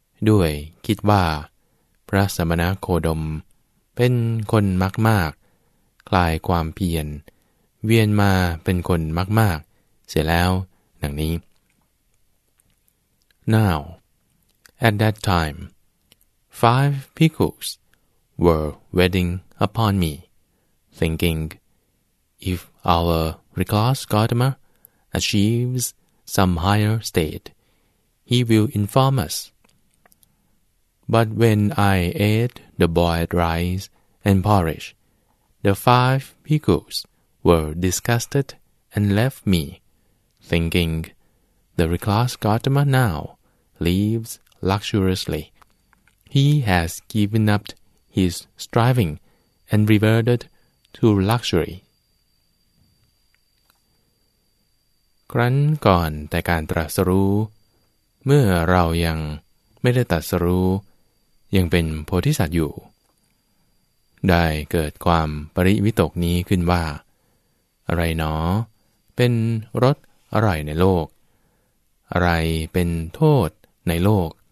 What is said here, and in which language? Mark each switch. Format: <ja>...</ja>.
<th>ด้วยคิดว่าพระสมณโคดมเป็นคนมักมากคลายความเพียรเวียนมาเป็นคนมากมากเสียแล้วดังนี้</th> <en>Now, at that time, 5 bhikkhus were waiting upon me, thinking, if our recluse Gautama achieves some higher state, he will inform us. But when I ate the boiled rice and porridge, the 5 bhikkhus were disgusted and left me, thinking, the recluse Gautama now lives luxuriously. He has given up his striving and reverted to luxury.</en> <th>ครั้นก่อนแต่การตรัสรู้เมื่อเรายังไม่ได้ตรัสรู้ยังเป็นโพธิสัตว์อยู่ ได้เกิดความปริวิตกนี้ขึ้นว่าอะไรหนอเป็นรสอร่อยในโลกอะไรเป็นโทษในโลก</th>